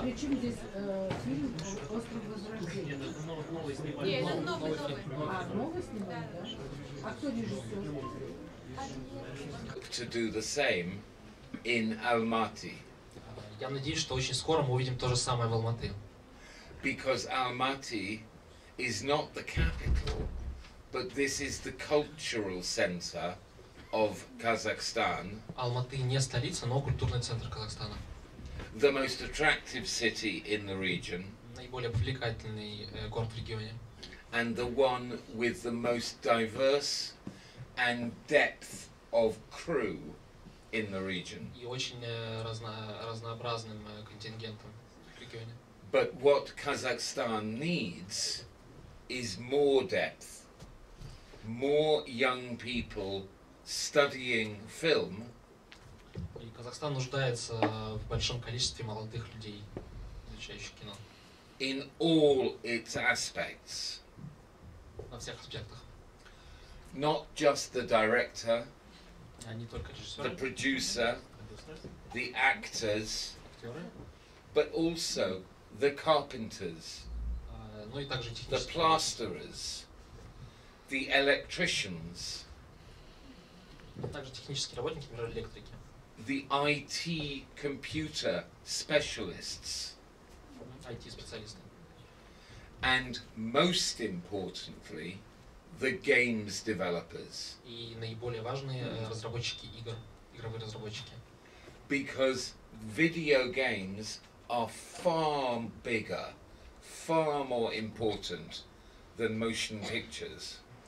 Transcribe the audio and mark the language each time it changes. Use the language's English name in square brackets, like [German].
[Russian] Причем здесь фильм «Остров возрождения». Нет, это новый снимали. Нет, это новый. А, новый снимали, да? А кто режиссер? [English] To do the same in Almaty. [Russian] Я надеюсь, что очень скоро мы увидим то же самое в Алматы. [English] Because Almaty is not the capital, but this is the cultural center of Kazakhstan. [Russian] Алматы не столица, но культурный центр Казахстана. [English] The most attractive city in the region. [Russian] Наиболее привлекательный город в регионе. [English] And the one with the most diverse and depth of crew in the region. [Russian] И очень разнообразным контингентом в регионе. [English] But what Kazakhstan needs is more depth, more young people studying film. [Russian] И Казахстан нуждается в большом количестве молодых людей, изучающих кино. [English] In all its aspects. [Russian] Во всех аспектах. [English] Not just the director, [Russian] не только режиссер, [English] the producer, the actors, [Russian] актеры, [English] but also the carpenters, [Russian] ну и также технические, [English] the plasterers, the electricians, [Russian] также технические работники, например, электрики, [English] the IT computer specialists, [Russian] IT-специалисты, [English] and most importantly, the games developers. [Russian] И наиболее важные разработчики игр, игровые разработчики. [English] Because video games are far bigger, far more important than motion pictures.